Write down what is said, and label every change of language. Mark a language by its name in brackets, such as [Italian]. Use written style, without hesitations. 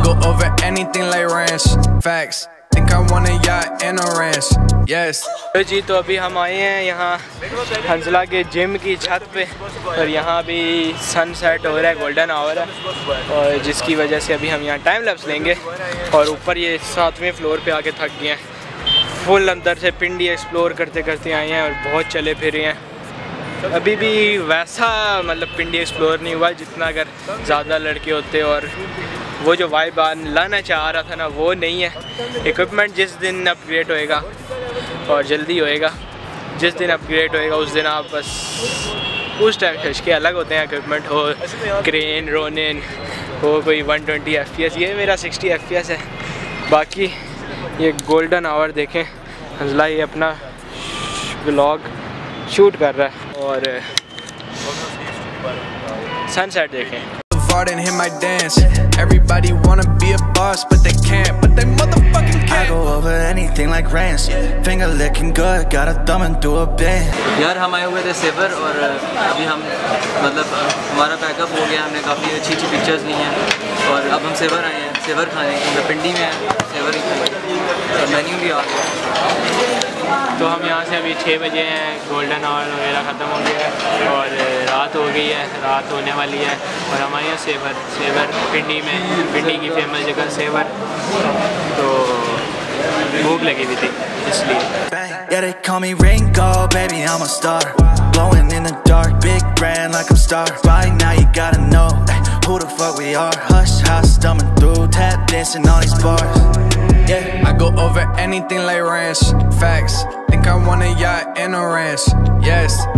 [English] Over anything like ranch facts think I want a yacht and a ranch [Hindi] yes ji to abhi hum aaye hain yahan hanzla ke gym ki chhat pe aur yahan bhi sunset ho raha hai golden hour hai aur jiski wajah se abhi hum yahan time lapse lenge aur upar ye 7th floor pe aake thak gaye hain full andar se pindi explore karte karte aaye hain aur bahut chale phire hain अभी भी वैसा मतलब पिंडी explore नहीं हुआ जितना अगर ज़्यादा लड़के होते और वो जो वाइब लाना चाह रहा था ना वो नहीं है। इक्विपमेंट जिस दिन अपग्रेड होएगा और जल्दी होएगा, जिस दिन अपग्रेड होएगा उस दिन आप बस उस टाइम खिंचके अलग होते हैं। इक्विपमेंट हो क्रेन रोनिन हो कोई 120 FPS, ये मेरा 60 FPS है। बाकी ये गोल्डन आवर देखें, हंसला ये अपना ब्लॉग शूट कर रहा है और सनसेट देखें। [English] Vardin hit my dance. Everybody wanna be a boss, but they can't. But they motherfucking can't. I go over anything like rants. Finger licking good, got a thumb and do a bend. [Hindi] यार हम आए हुए थे saver और अभी हम मतलब हमारा पैकअप हो गया, हमने काफी अच्छी अच्छी पिक्चर्स ली हैं और अब हम सेवर आए हैं, सेवर खाने के लिए पिंडी में हैं, सेवर ही खाएंगे। मेन्यू भी आ गया। तो हम यहाँ से अभी 6 बजे हैं, गोल्डन आवर वगैरह ख़त्म हो गया है और रात हो गई है, रात होने वाली है और हम आए हैं सेवर, सेवर पिंडी में, पिंडी की फेमस जगह सेवर। तो भूख लगी हुई थी इसलिए। [English] Yeah, they call me Ringo, baby, I'm a star. Blowing in the dark, big brand like I'm star. By now you gotta know, ay, who the fuck we are. Hush, hush, stumbling through, tap dancing all these bars. Yeah, I go over anything like ranch, facts. Think I want a yacht and a ranch, yes.